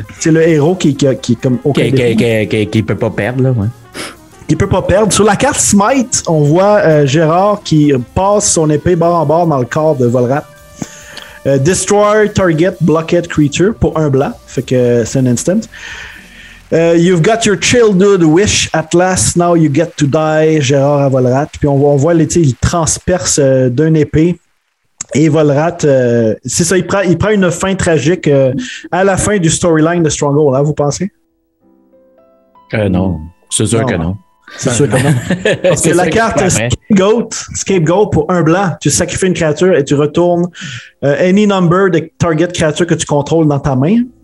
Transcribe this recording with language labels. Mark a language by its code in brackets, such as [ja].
[fr] C'est le héros qui est comme aucun qui peut pas perdre, là, ouais. Il peut pas perdre. Sur la carte Smite, on voit Gérard qui passe son épée bord en bord dans le corps de Vol'rath. Destroy target blocked creature pour un blanc. Fait que c'est un instant. [en] You've got your childhood wish at last. Now you get to die, Gérard à Vol'rath. [fr] Puis on voit, tu sais, il transperce d'un épée. Et Vol'rath, c'est ça, il prend une fin tragique à la fin du storyline de Stronghold, hein, vous pensez? Non. C'est sûr non. que non. C'est sûr que non. Parce que la carte Scapegoat, Scapegoat pour un blanc, tu sacrifies une créature et tu retournes any number de target créatures que tu contrôles dans ta main.